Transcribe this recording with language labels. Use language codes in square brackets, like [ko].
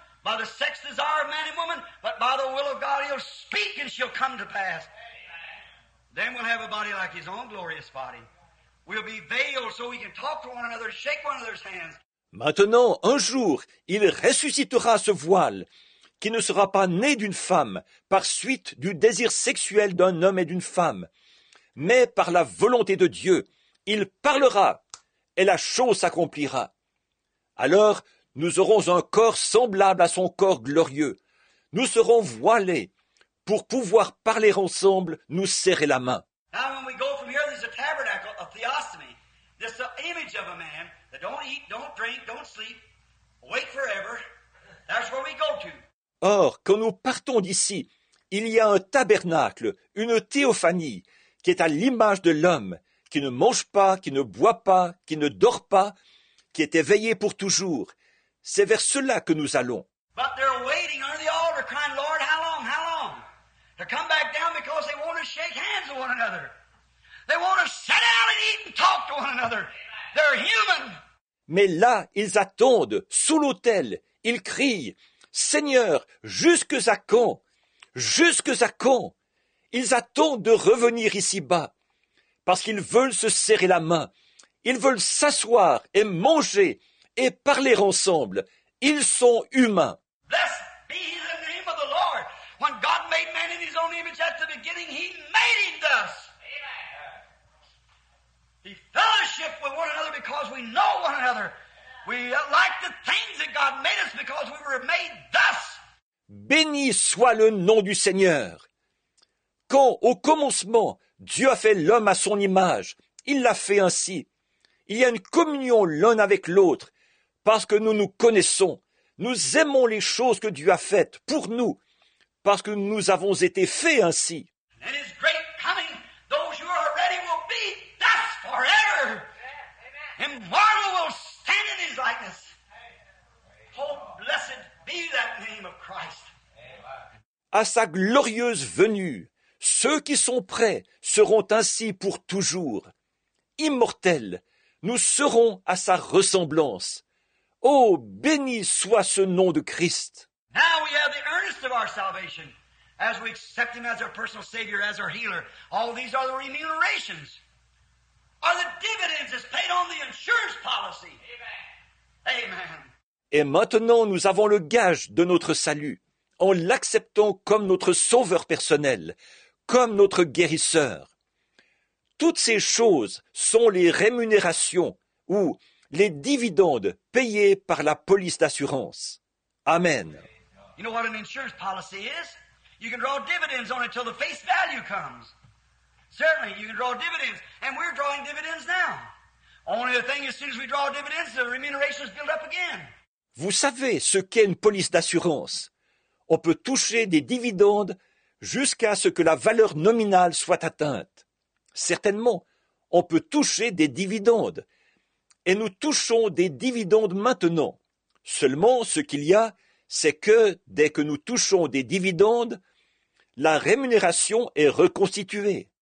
[en] by the sex desire of man and woman, but by the will of God he'll speak and she'll come to pass. Amen. Then we'll have a body like his own glorious body. We'll be veiled so we can talk to one another, shake one another's hands. [fr] Maintenant, un jour, il ressuscitera ce voile qui ne sera pas né d'une femme par suite du désir sexuel d'un homme et d'une femme, mais par la volonté de Dieu. Il parlera et la chose s'accomplira. Alors, nous aurons un corps semblable à son corps glorieux. Nous serons voilés pour pouvoir parler ensemble, nous serrer la main. [en] Now, when we go from here, there's a tabernacle, a theostomy. This is the image of a man that don't eat, don't drink, don't sleep, awake forever. That's where we go to. [fr] Or, quand nous partons d'ici, il y a un tabernacle, une théophanie, qui est à l'image de l'homme, qui ne mange pas, qui ne boit pas, qui ne dort pas, qui est éveillé pour toujours. C'est vers cela que nous allons. [en] But they're waiting under the altar, crying, Lord, how long, to come back down because they want to shake hands with one another. They want to sit down and eat and talk to one another. They're human. [fr] Mais là, ils attendent, sous l'autel, ils crient, Seigneur, jusqu'à quand? Jusqu'à quand? Ils attendent de revenir ici-bas, parce qu'ils veulent se serrer la main. Ils veulent s'asseoir et manger et parler ensemble. Ils sont humains. [en] Blessed be the name of the Lord. When God made man in his own image at the beginning, he made him thus. Amen. He fellowship with one another because we know one another. We like the things that God made us because we were made thus. [fr] Béni soit le nom du Seigneur. Quand, au commencement, Dieu a fait l'homme à son image, il l'a fait ainsi. Il y a une communion l'un avec l'autre, parce que nous nous connaissons. Nous aimons les choses que Dieu a faites pour nous, parce que nous avons été faits ainsi. [en] And his great coming, those who are ready will be thus forever. Immortal will stand in his likeness. Oh, blessed be that name of Christ. [fr] À sa glorieuse venue, ceux qui sont prêts seront ainsi pour toujours. Immortels, nous serons à sa ressemblance. Oh, béni soit ce nom de Christ. [en] Now we have the earnest of our salvation, as we accept him as our personal Savior, as our healer. All these are the remunerations, are the dividends that's paid on the insurance policy. Amen. Amen. [fr] Et maintenant nous avons le gage de notre salut, en l'acceptant comme notre sauveur personnel, comme notre guérisseur. Toutes ces choses sont les rémunérations ou les dividendes payés par la police d'assurance. Amen. [en] You know what an insurance policy is? You can draw dividends on it till the face value comes. Certainly, you can draw dividends. And we're drawing dividends now. Only the thing, as soon as we draw dividends, the remuneration is built up again. [fr] Vous savez ce qu'est une police d'assurance. On peut toucher des dividendes jusqu'à ce que la valeur nominale soit atteinte. Certainement, on peut toucher des dividendes. Et nous touchons des dividendes maintenant. Seulement, ce qu'il y a, c'est que, dès que nous touchons des dividendes, la rémunération est reconstituée.